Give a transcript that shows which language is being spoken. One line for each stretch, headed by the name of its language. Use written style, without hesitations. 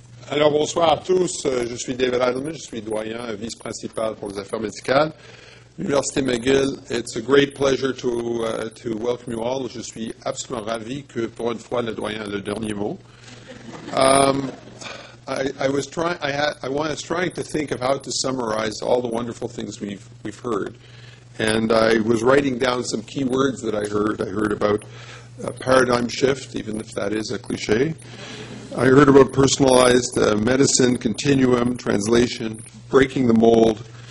French: Alors bonsoir à tous, je suis David Adelman, je suis doyen vice-principal pour les affaires médicales.
English: L'Université McGill, it's a great pleasure to welcome you all.
French: Je suis absolument ravi que pour une fois le doyen ait le dernier mot.
English: I was trying to think of how to summarize all the wonderful things we've heard. And I was writing down some key words that I heard. I heard about a paradigm shift, even if that is a cliche. I heard about personalized medicine, continuum, translation, breaking the mold.